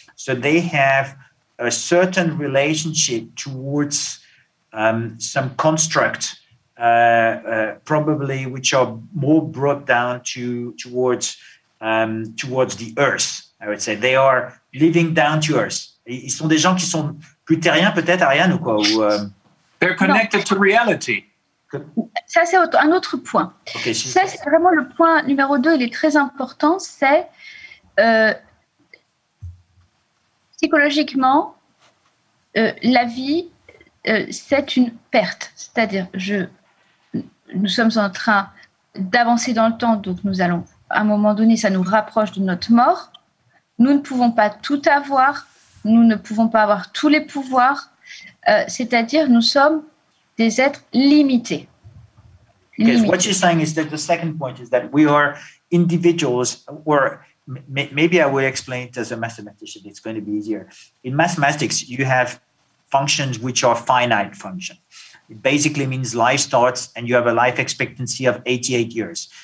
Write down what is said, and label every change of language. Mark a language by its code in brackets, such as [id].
[en] So they have a certain relationship towards some construct, probably which are more brought down towards the earth, I would say. They are living down to earth. [fr] Ils sont des gens qui sont plus terriens, peut-être, Ariane, ou quoi? [en] They're connected to reality. [fr] Ça, c'est un autre point. Okay, ça, c'est vraiment le point numéro 2, il est très important, c'est psychologiquement, la vie, c'est une perte. C'est-à-dire, nous sommes en train d'avancer dans le temps, donc nous allons, à un moment donné, ça nous rapproche de notre mort. Nous ne pouvons pas tout avoir, nous ne pouvons pas avoir tous les pouvoirs, c'est-à-dire, nous sommes des êtres limités. [en] Because what you're saying is that the second point is that we are individuals, or maybe I would explain it as a mathematician, it's going to be easier. In mathematics, you have functions which are finite functions. It basically means life starts and you have a life expectancy of 88 years.